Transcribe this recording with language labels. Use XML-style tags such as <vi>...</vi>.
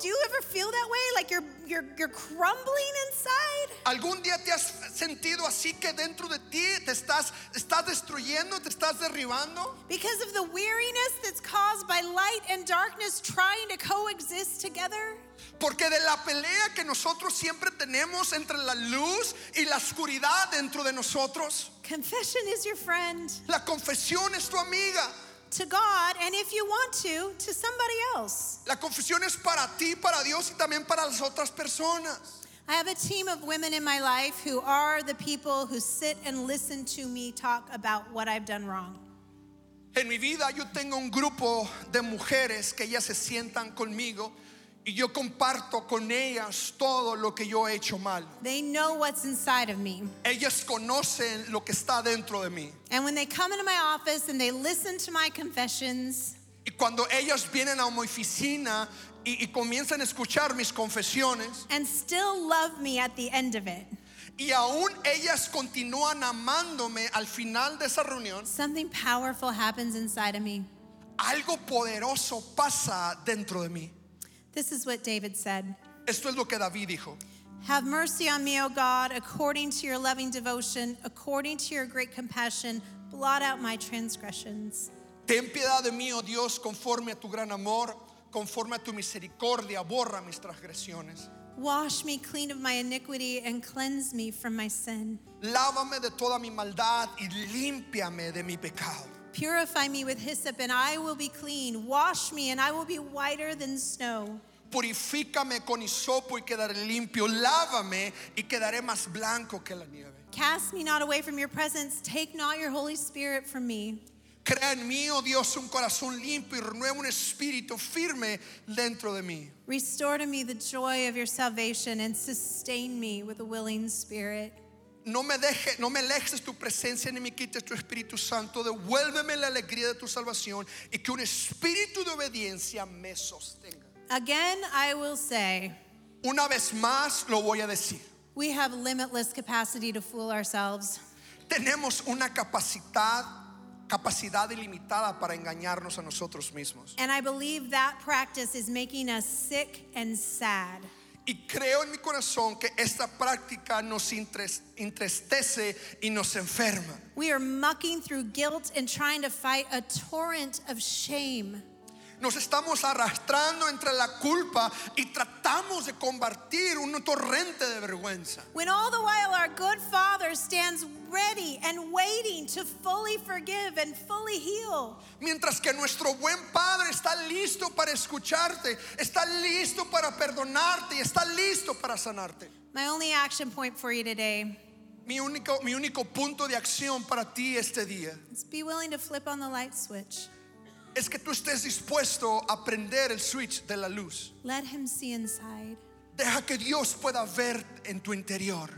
<en>Do you ever feel that way, like you're crumbling inside?</en> <es>¿Algún día te has sentido así, que dentro de ti te estás destruyendo, te estás derribando?</es> <en>Because of the weariness that's caused by light and darkness trying to coexist together.</en> <es>Porque de la pelea que nosotros siempre tenemos entre la luz y la oscuridad dentro de nosotros.</es> <en>Confession is your friend.</en> <es>La confesión es tu amiga.</es> <en>To God, and if you want to somebody else.</en> <es>La confesión es para ti, para Dios, y también para las otras personas.</es> <en>I have a team of women in my life who are the people who sit and listen to me talk about what I've done wrong.</en> <es>En mi vida, yo tengo un grupo de mujeres que ellas se sientan conmigo y yo comparto con ellas todo lo que yo he hecho mal.</es> <en>They know what's inside of me.</en> <es>Ellas conocen lo que está dentro de mí.</es> <en>And when they come into my office and they listen to my confessions.</en> <es>Y cuando ellas vienen a mi oficina y comienzan a escuchar mis confesiones.</es> <en>And still love me at the end of it.</en> <es>Y aún ellas continúan amándome al final de esa reunión.</es> <en>Something powerful happens inside of me.</en> <es>Algo poderoso pasa dentro de mí.</es> <en>This is what David said.</en> <es>Esto es lo que David dijo.</es> <en>Have mercy on me, O God, according to your loving devotion, according to your great compassion, blot out my transgressions.</en> <es>Ten piedad de mí, O Dios, conforme a tu gran amor, conforme a tu misericordia, borra mis transgresiones.</es> <en>Wash me clean of my iniquity and cleanse me from my sin.</en> <es>Lávame de toda mi maldad y límpiame de mi pecado.</es> <en>Purify me with hyssop and I will be clean. Wash me and I will be whiter than snow.</en> <es>Purifícame con hisopo y quedaré limpio. Lávame y quedaré más blanco que la nieve.</es> <en>Cast me not away from your presence. Take not your Holy Spirit from me.</en> <es>Crea en mí, oh Dios, un corazón limpio y renueva un espíritu firme dentro de mí.</es> <en>Restore to me the joy of your salvation and sustain me with a willing spirit.</en> <es>No me alejes tu presencia ni me quites tu Espíritu Santo. Devuélveme la alegría de tu salvación y que un espíritu de obediencia me sostenga.</es> <en>Again, I will say.</en> <es>Una vez más, lo voy a decir.</es> <en>We have limitless capacity to fool ourselves.</en> <es>Tenemos una capacidad ilimitada para engañarnos a nosotros mismos.</es> <en>And I believe that practice is making us sick and sad.</en> <es>Y creo en mi corazón que esta práctica nos entristece y nos enferma.</es> <en>We are mucking through guilt and trying to fight a torrent of shame.</en> <es>Nos estamos arrastrando entre la culpa y tratamos de combatir un torrente de vergüenza.</es> <en>When all the while our good Father stands ready and waiting to fully forgive and fully heal.</en> <es>Mientras que nuestro buen Padre está listo para escucharte, está listo para perdonarte y está listo para sanarte.</es> <en>My only action point for you today.</en> <es>Mi único punto de acción para ti este día.</es> <en>Is be willing to flip on the light switch.</en> <es>Es que tú estés dispuesto a prender el switch de la luz.</es> <en>Let him see inside.</en> <es>Deja que Dios pueda ver en tu interior.</es>